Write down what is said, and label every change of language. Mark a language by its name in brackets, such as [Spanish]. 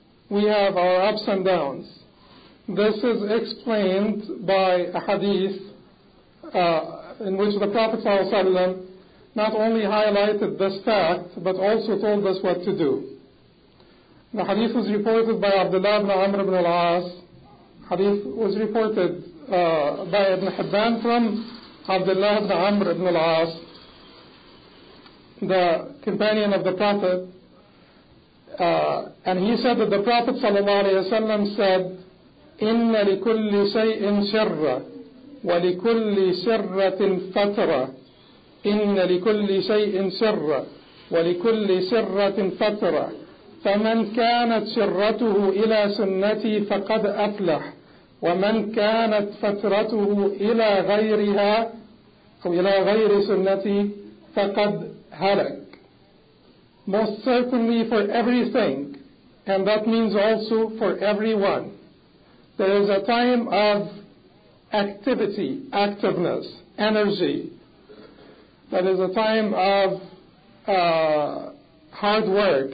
[English] We have our ups and downs. This is explained by a hadith in which the Prophet sallallahu alaihi wasallam not only highlighted this fact, but also told us what to do. The hadith was reported by Abdullah ibn Amr ibn al-As. Hadith was reported by Ibn Hibban from Abdullah ibn Amr ibn al-As, the companion of the Prophet. And he said that the Prophet sallallahu alaihi wasallam said, [Arabic] إِنَّ لِكُلِّ شَيْءٍ شَرَّ وَلِكُلِّ شَرَّةٍ فَتْرَةٍ إِنَّ لِكُلِّ شَيْءٍ شَرَّ وَلِكُلِّ شَرَّةٍ فَتْرَةٍ فَمَنْ كَانَتْ شِرَّتُهُ إِلَى سُنَّتِي فَقَدْ أَفْلَحْ وَمَنْ كَانَتْ فَتْرَتُهُ إِلَى غَيْرِهَا أو إِلَى غَيْرِ سُنَّتِي فَقَدْ هَلَكْ. [English] Most certainly for everything, and that means also for everyone, there is a time of activity, activeness, energy. That is a time of hard work.